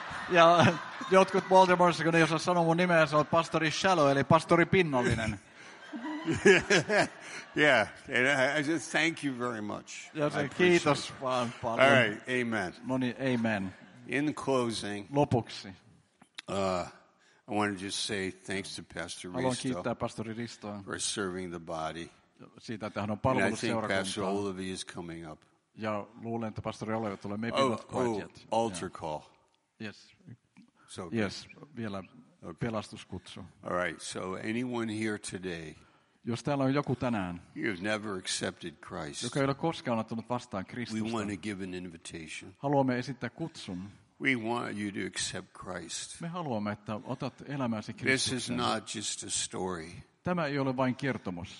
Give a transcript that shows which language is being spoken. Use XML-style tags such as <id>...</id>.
<fi>Ja jotkut Baltimoressa, kun ei osaa sanoa mun nimeä, sä oot Pastori Shallow, eli Pastori Pinnallinen.</fi> <en>Yeah, and I just thank you very much.</en> <fi>Kiitos vaan paljon.</fi> <en>All right, amen.</en> <fi>Moni, amen.</fi> <en>In closing,</en> <fi>lopuksi,</fi> <en>I want to just say thanks to Pastor Risto.</en> <fi>Haluan kiittää Pastori Ristoa.</fi> <en>For serving the body.</en> <fi>Siitä, että hän on palvelut seurakuntaa.</fi> <en>And I think Pastor Olivi is coming up.</en> <fi>Ja luulen, että pastori Olevi tulee</fi> <en>maybe not quite yet. Altar call. Yes. So okay.</en> <fi>Yes, vielä okay. Pelastuskutsu.</fi> <en>All right, so anyone here today,</en> <fi>jos täällä on joku tänään,</fi> <en>you've never accepted Christ,</en> <fi>joka ei ole koskaan ottanut vastaan Kristusta,</fi> <en>we want to give an invitation.</en> <fi>Haluamme esittää kutsun.</fi> <en>We want you to accept Christ.</en> <fi>Me haluamme, että otat elämäsi Kristuksen.</fi> <en>This is not just a story.</en> <fi>Tämä ei ole vain kertomus.</fi>